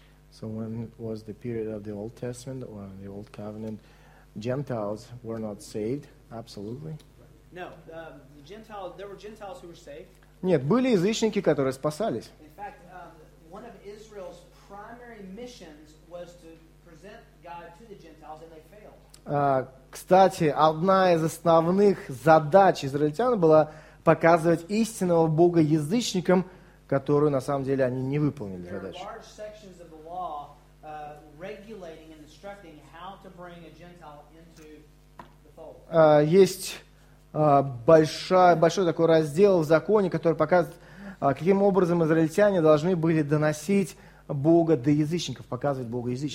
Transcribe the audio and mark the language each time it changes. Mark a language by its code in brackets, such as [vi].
[en] So when was the period of the Old Testament or the Old Covenant, Gentiles were not saved? Absolutely. No, the Gentiles, there were Gentiles who were saved. [ru] Нет, были язычники, которые спасались. [en] In fact, one of Israel's primary missions was to present God to the Gentiles, and they failed. [ru] Кстати, одна из основных задач израильтян была показывать истинного Бога язычникам, которую на самом деле они не выполнили задачу. [en] There are large sections of the law regulating and instructing how to bring a Gentile into the fold. [ru] Есть большой такой раздел в законе, который показывает, каким образом израильтяне должны были доносить Бога до язычников, показывать Бога